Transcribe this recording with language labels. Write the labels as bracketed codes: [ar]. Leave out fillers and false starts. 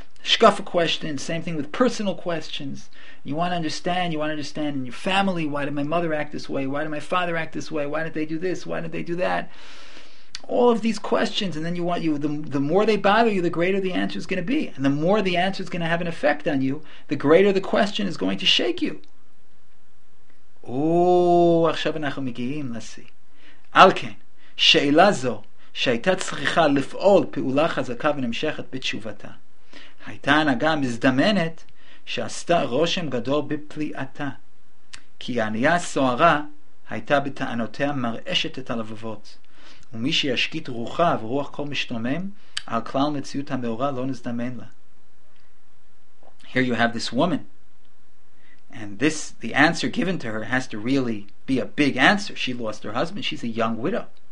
[en] shkafa questions, same thing with personal questions. You want to understand in your family, why did my mother act this way? Why did my father act this way? Why did they do this? Why did they do that? All of these questions, and then the more they bother you, the greater the answer is going to be. And the more the answer is going to have an effect on you, the greater the question is going to shake you. [he] Oh, עכשיו אנחנו מגיעים לשיא. על כן, שאלה זו שהייתה צריכה לפעול פעולה חזקה ונמשכת בתשובתה. הייתה הנהגה מזדמנת שעשתה רושם גדול בפליאתה, כי הענייה הסוערה הייתה בטענותיה מרעשת את הלבבות, ומי שישקיט רוחה ורוח כל משתומם על כלל מציאות המאורה לא נזדמן לה. [en] Here you have this woman, and this, the answer given to her has to really be a big answer. She lost her husband, she's a young widow.